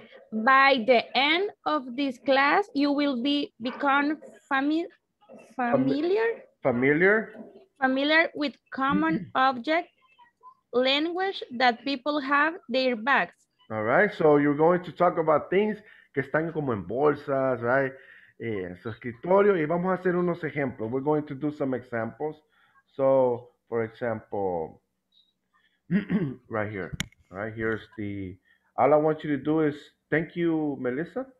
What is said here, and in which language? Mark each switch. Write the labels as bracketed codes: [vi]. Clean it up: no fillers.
[en] By the end of this class, you will become familiar with common object language that people have their bags. All right, so you're going to talk about things [es] que están como en bolsas, [en] right? [es] En su escritorio, y vamos a hacer unos ejemplos. [en] We're going to do some examples. So, for example, right here's the, all I want you to do is, thank you, Melissa.